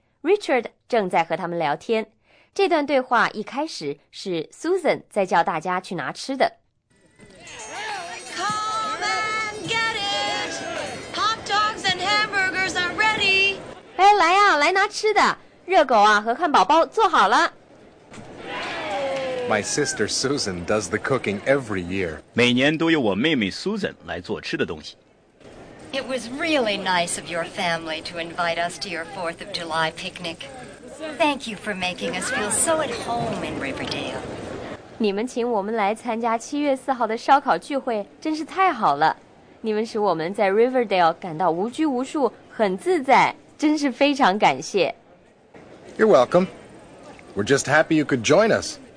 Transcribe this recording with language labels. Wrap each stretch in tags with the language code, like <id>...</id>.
<zh>Richard 正在和他们聊天。这段对话一开始是 Susan 在叫大家去拿吃的。</zh> <en>Come and get it! Hot dogs and hamburgers are ready!</en> <zh>哎，来呀，来拿吃的。热狗啊和汉堡包做好了。</zh> <en>My sister Susan does the cooking every year.</en> <zh>每年都由我妹妹 Susan 来做吃的东西。</zh> <en>It was really nice of your family to invite us to your 4th of July picnic. Thank you for making us feel so at home in Riverdale.</en> <zh>你们请我们来参加7月4号的烧烤聚会，真是太好了。你们使我们在 Riverdale 感到无拘无束，很自在，真是非常感谢。</zh> <en>You're welcome. We're just happy you could join us.</en>